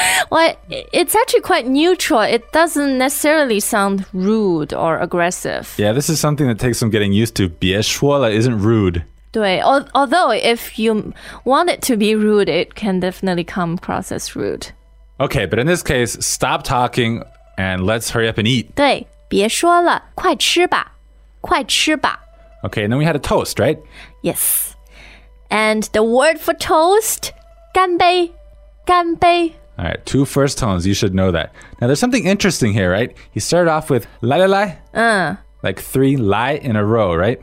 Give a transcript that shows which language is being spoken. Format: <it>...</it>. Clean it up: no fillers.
<en>Well, it's actually quite neutral. It doesn't necessarily sound rude or aggressive. Yeah, this is something that takes some getting used to.</en> <zh>别说了</zh> <en>isn't rude. 对, although if you want it to be rude, it can definitely come across as rude. Okay, but in this case, stop talking and let's hurry up and eat.</en> <zh>对, 别说了,快吃吧,快吃吧。</zh> <en>Okay, and then we had a toast, right? Yes. And the word for toast, 干杯, 干杯. All right, two first tones, you should know that. Now, there's something interesting here, right? He started off with</en> <zh>来来来,</zh> <en>like three 来 in a row, right?</en>